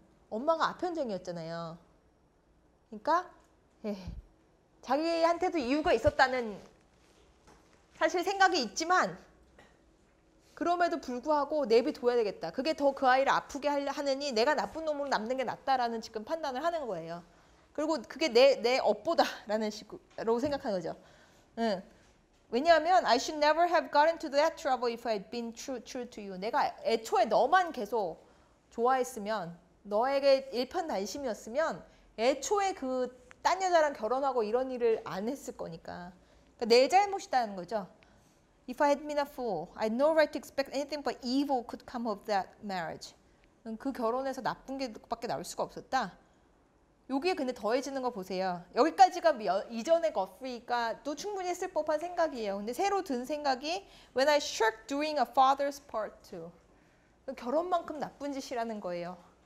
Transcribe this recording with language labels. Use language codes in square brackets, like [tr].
[ko] 엄마가 아편쟁이였잖아요. 그러니까 자기한테도 이유가 있었다는 사실 생각이 있지만 그럼에도 불구하고 내비둬야 되겠다. 그게 더그 아이를 아프게 하느니 내가 나쁜 놈으로 남는 게 낫다라는 지금 판단을 하는 거예요. 그리고 그게 내 업보다라는 식으로 생각한 거죠. 왜냐하면 [en] I should never have gotten to that trouble if I had been true to you. [ko] 내가 애초에 너만 계속 좋아했으면 너에게 일편단심이었으면 애초에 그딴 여자랑 결혼하고 이런 일을 안 했을 거니까. 그러니까 내 잘못이다는 거죠. [en] If I had been a fool, I had no right to expect anything but evil could come of that marriage. [ko] 그 결혼에서 나쁜 게 밖에 나올 수가 없었다. 여기에 근데 더해지는 거 보세요. 여기까지가 이전에 거프리가 또 충분히 했을 법한 생각이에요. 근데 새로 든 생각이 [en] When I shirk doing a father's part too. [ko] 결혼만큼 나쁜 짓이라는 거예요.